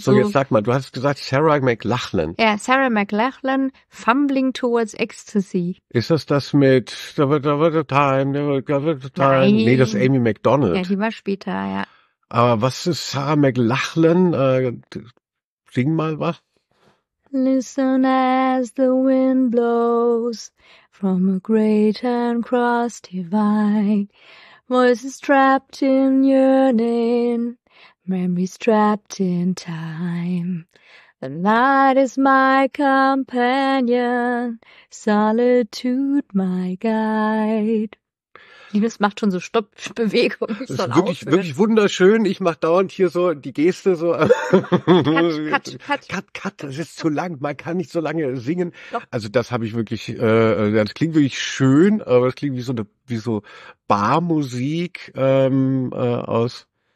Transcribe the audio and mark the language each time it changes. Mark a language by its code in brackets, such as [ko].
[de] So, jetzt sag mal, du hast gesagt Sarah McLachlan. Ja, Sarah McLachlan. Lachlan, Fumbling Towards Ecstasy. Ist das das mit Time? Nee, das ist Amy McDonald. Ja, die war später, ja. Aber was ist Sarah McLachlan? Sing mal was. [en] Listen as the wind blows from a great and cross divide. Voices trapped in yearning, memories trapped in time. The night is my companion, solitude my guide. [de] Liebes macht schon so Stoppbewegung. Das ist wirklich, wirklich wunderschön. Ich mache dauernd hier so die Geste so. Cut. Das ist zu lang. Man kann nicht so lange singen. Doch. Also das habe ich wirklich, das klingt wirklich schön, aber es klingt wie so eine, wie so Barmusik aus.